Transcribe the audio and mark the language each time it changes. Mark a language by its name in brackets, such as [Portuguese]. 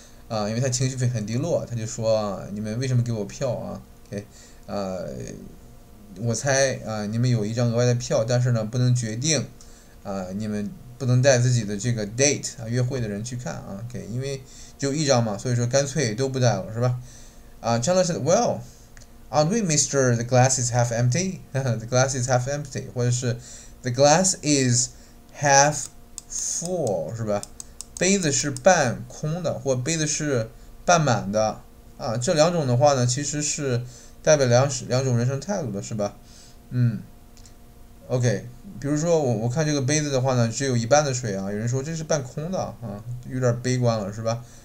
[Chinese] 因为他情绪很低落，他就说你们为什么给我票啊 ？OK， 我猜你们有一张额外的票，但是呢不能决定，你们不能带自己的这个 date 啊约会的人去看啊 ，OK， 因为就一张嘛，所以说干脆都不带了是吧？ [English] Chandler said, "Well, aren't we, Mr. The glass is half empty? The glass is half empty," [Chinese] 或者是 [English] "The glass is half full," [Chinese] 是吧？杯子是半空的，或杯子是半满的，啊，这两种的话呢，其实是代表两种人生态度的，是吧？嗯 ，OK， 比如说我看这个杯子的话呢，只有一半的水啊，有人说这是半空的啊，有点悲观了，是吧？